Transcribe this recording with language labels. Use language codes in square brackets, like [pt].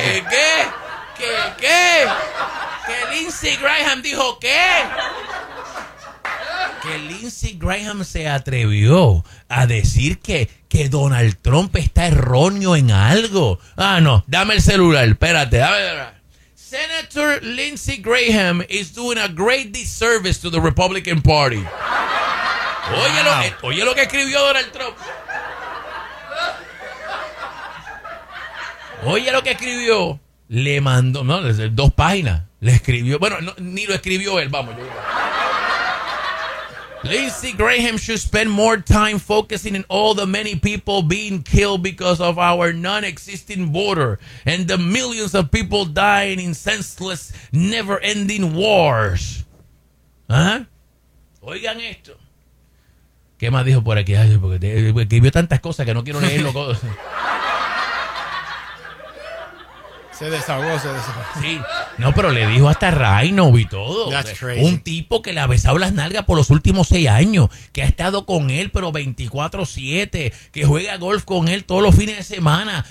[es] ¿Qué? ¿Qué? ¿Que Lindsey Graham dijo qué? Que Lindsey Graham se atrevió a decir que Donald Trump está erróneo en algo. Ah, no, dame el celular, espérate, dame. [en] Senator Lindsey Graham is doing a great disservice to the Republican Party. [es] Oye lo que escribió Donald Trump. Oye lo que escribió. Le mandó, no, dos páginas. Le escribió, bueno, no, ni lo escribió él, vamos. [en] Lindsey Graham should spend more time focusing on all the many people being killed because of our non-existing border and the millions of people dying in senseless, never-ending wars. [es] ¿Ah? Oigan esto. ¿Qué más dijo por aquí? Ay, porque escribió tantas cosas que no quiero leerlo. Se desahogó. Sí, no, pero le dijo hasta Rhino y todo. [en] That's crazy. [es] Un tipo que le ha besado las nalgas por los últimos 6 años, que ha estado con él, pero 24-7, que juega golf con él todos los fines de semana.